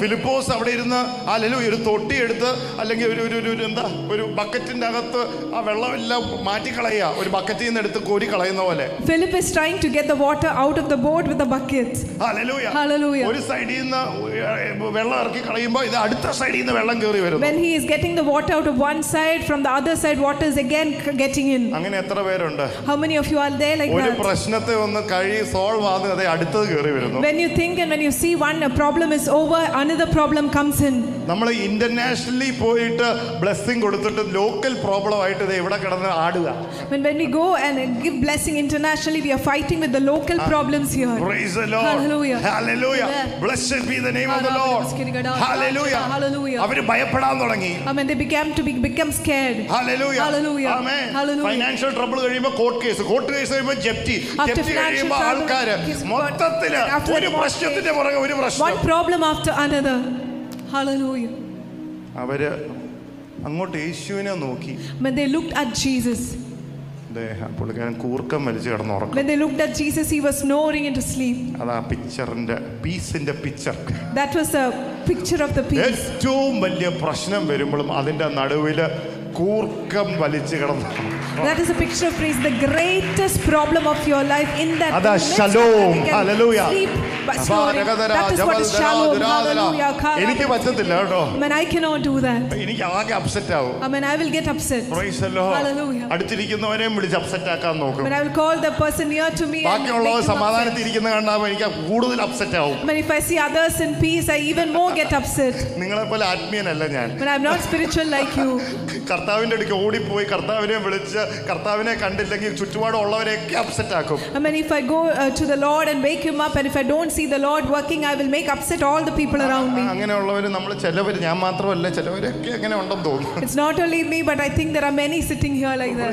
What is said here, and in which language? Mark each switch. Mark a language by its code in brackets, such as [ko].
[ml] Philippos avade irunna, hallelujah, അല്ലെങ്കിൽ ഒരു ബക്കറ്റിന്റെ അകത്ത് ആ വെള്ളമെല്ലാം മാറ്റി കളയുക, ഒരു ബക്കറ്റിൽ നിന്ന് എടുത്ത് കോരി കളയുന്ന പോലെ. [en] Philip is trying to get the water out of the boat with the buckets. [ml] Hallelujah. Hallelujah. ഒരു സൈഡിൽ നിന്ന് വെള്ളം ഇറക്കി കളയുമ്പോൾ ഇത് അടുത്ത സൈഡിൽ നിന്ന് വെള്ളം കയറി വരുന്നു. [en] When he is getting the water out of one side, from the other side water is again getting in. [ml] അങ്ങനെ എത്ര പേരുണ്ട്? [en] How many of you are there like that? [ml] ഒരു പ്രശ്നത്തെ ഒന്ന് കഴി സോൾവ് ആകാതെ അടുത്ത കയറി വരുന്നു. [en] When you think and when you see one problem is over, another problem comes in. [ml] നമ്മൾ ഇന്റർനാഷണലി പോയിട്ട് ബ്ലെസ്സിംഗ് കൊടുത്തിട്ട് ലോക്കൽ പ്രോബ്ലം ആയിട്ട് ഇവിടെ കിടന്ന് ആടുക. [en] When we go and give blessing internationally, we are fighting with the local problems here. Praise the Lord. Hallelujah. Hallelujah. Blessed be the name of the Lord. Hallelujah. [ml] Hallelujah. അവര് ഭയപ്പെടാൻ തുടങ്ങി. [en] Amen. They became scared. Hallelujah. Hallelujah. Amen. Hallelujah. Financial trouble [ml] കഴിയുമ്പോൾ court case കഴിയുമ്പോൾ ജപ്തി. ജപ്തി കഴിയുമ്പോൾ ആൾക്കാര് മൊത്തത്തില് ഒരു പ്രശ്നത്തിന്റെ പുറകെ ഒരു പ്രശ്നം. [en] One problem after another. Hallelujah. [ml] അവര് അങ്ങോട്ട് യേശുവിനെ നോക്കി. [en] When they looked at Jesus. When they looked at Jesus, he was snoring into sleep. That was a picture of the peace. [ml] ഏറ്റവും വലിയ പ്രശ്നം വരുമ്പോഴും അതിന്റെ നടുവില് കൂർക്കം വലിച്ചു കിടന്നു. [en] That is a picture of praise. The greatest problem of your life in that [ml] Ada shalom. Hallelujah. [en] Sleep, that is what is shalom. Hallelujah. [ml] എനിക്ക് പറ്റത്തില്ല ട്ടോ. [en] I mean, I cannot do that. എനിക്ക് ആകെ upset ആവും. I mean, I will get upset. Praise the Lord. Hallelujah. [ml] അടുത്തിരിക്കുന്നവനെ വിളിച്ച് upset ആക്കാൻ നോക്കും. [en] When I will call the person near to me, [ml] ബാക്കിയുള്ളവർ സമാധാനത്തിൽ ഇരിക്കുന്ന കാണാൻ എനിക്ക് കൂടുതൽ അപ്സെറ്റ് ആവും. [en] When I see others in peace, I even more get upset. [ml] നിങ്ങളെ പോലെ ആത്മീയനല്ല ഞാൻ. [en] But I am not spiritual like you. [ml] കർത്താവിന്റെ അടുക്കൽ ഓടിപ്പോയി കർത്താവിനെ വിളിച്ച് കർത്താവിനെ കണ്ടില്ലെങ്കിൽ ചുറ്റുപാടുള്ളവരെയൊക്കെ അപ്സെറ്റ് ആക്കും. [en] I mean, if I go to the Lord and wake him up, and if I don't see the Lord working, I will make upset all the people around me. [ml] അങ്ങനെയുള്ളവർ നമ്മൾ ചിലവര് ഞാൻ മാത്രമല്ല ചിലവരൊക്കെ അങ്ങനെ ഉണ്ടെന്ന് തോന്നുന്നു. [en] It's not only me, but I think there are many sitting here like that.